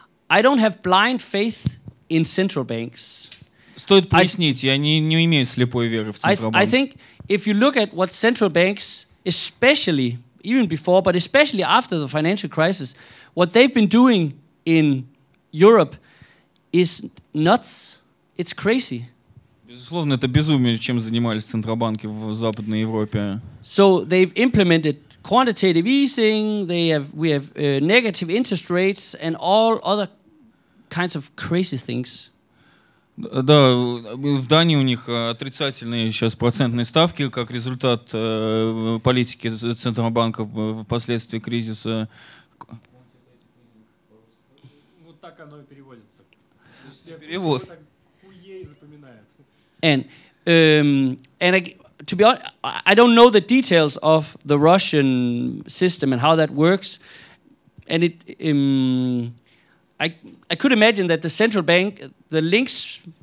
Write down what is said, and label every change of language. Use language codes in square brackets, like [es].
[en] I don't have blind faith in central banks. [ru] Стоит пояснить, я не имею слепой веры в Центробанк. [en] I think if you look at what central banks, especially, even before, but especially after the financial crisis, what they've been doing in Europe is nuts. It's crazy. [ru] Безусловно, это безумие, чем занимались Центробанки в Западной Европе. [en] So they've implemented quantitative easing, we have negative interest rates and all other kinds of crazy things. [ru] Да, в Дании у них отрицательные сейчас процентные ставки как результат политики Центробанка впоследствии кризиса. Вот так оно и переводится. Перевод. Так хуей запоминает. [en] And to be honest, I don't know the details of the Russian system and how that works. And I could imagine that the central bank, the links...